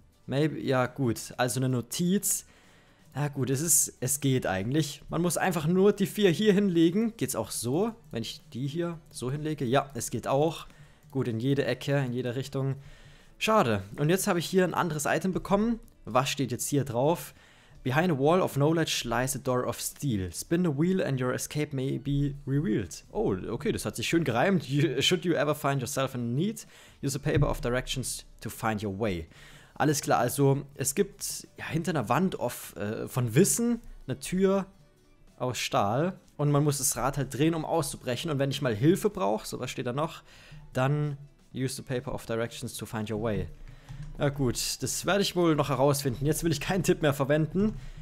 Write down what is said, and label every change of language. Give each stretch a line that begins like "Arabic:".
German: Maybe, ja gut, also eine Notiz. Na gut, es geht eigentlich. Man muss einfach nur die 4 hier hinlegen. Geht's auch so, wenn ich die hier so hinlege? Ja, es geht auch. Gut, in jede Ecke, in jede Richtung. Schade. Und jetzt habe ich hier ein anderes Item bekommen. Was steht jetzt hier drauf?
English: Behind a wall of knowledge lies a door of steel. Spin the wheel and your escape may be revealed.
German: Oh, okay, das hat sich schön gereimt.
English: Should you ever find yourself in need, use a paper of directions to find your way.
German: Alles klar, also es gibt ja hinter einer Wand von Wissen eine Tür aus Stahl und man muss das Rad halt drehen, um auszubrechen. Und wenn ich mal Hilfe brauche, so was steht da noch, dann
English: use the paper of directions to find your way.
German: Na gut, das werde ich wohl noch herausfinden. Jetzt will ich keinen Tipp mehr verwenden.